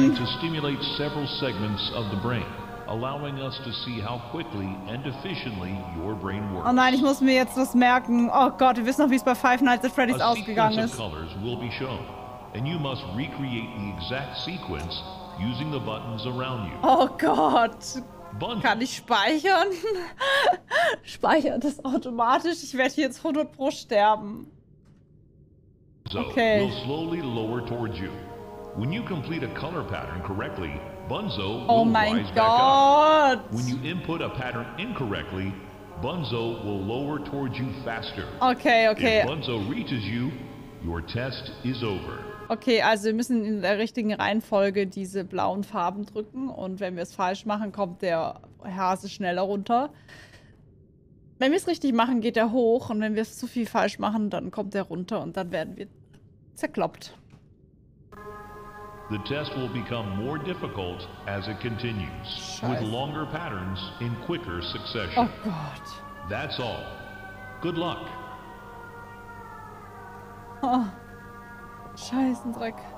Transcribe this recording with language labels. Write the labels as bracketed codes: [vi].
[en] Designed to stimulate several segments of the brain, allowing us to see how quickly and efficiently your brain works. [de] Oh nein, ich muss mir jetzt was merken. Oh Gott, wir wissen noch, wie es bei Five Nights at Freddy's ausgegangen ist. [en] A sequence of colors will be shown, and you must recreate the exact sequence using the buttons around you. [de] Oh Gott. Bunny. Kann ich speichern? Speichert es automatisch? Ich werde hier jetzt 100% sterben. Okay. [en] Will slowly lower towards you. When you complete a color pattern correctly, Bunzo will oh rise God. Back up. When you input a pattern incorrectly, Bunzo will lower towards you faster. [de] Okay, okay. [en] If Bunzo reaches you, your test is over. [de] Okay, also wir müssen in der richtigen Reihenfolge diese blauen Farben drücken und wenn wir es falsch machen, kommt der Hase schneller runter. Wenn wir es richtig machen, geht er hoch und wenn wir es zu viel falsch machen, dann kommt er runter und dann werden wir zerkloppt. [en] The test will become more difficult as it continues. [de] Scheiße. [en] With longer patterns in quicker succession. [de] Oh Gott. [en] That's all. Good luck. [de] Oh. Scheißen Dreck.